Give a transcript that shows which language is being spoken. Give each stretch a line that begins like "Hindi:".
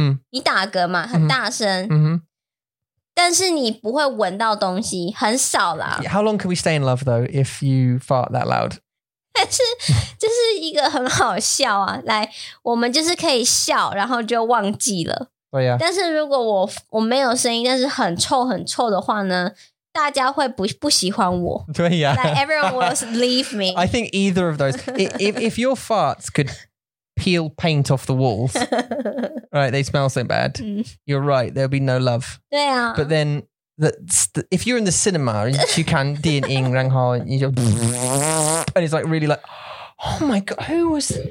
Chinese: 你打嗝嘛, 很大声, 但是你不会闻到东西, 很少啦。
English: How long can we stay in love, though, if you fart that loud?
Chinese: 但是这是一个很好笑啊, 来, 我们就是可以笑, 然后就忘记了。
English: Oh, yeah.
Chinese: 但是如果我没有声音但是很臭很臭的话呢 大家会不喜欢我对,
English: yeah. Like everyone will leave me I think either of those if your farts could peel paint off the walls right, they smell so bad You're right, there'll be no love
Chinese: 对啊
English: But then if you're in the cinema You can
Chinese: 电影 然后
English: you just, And it's like really like Oh my god, who was...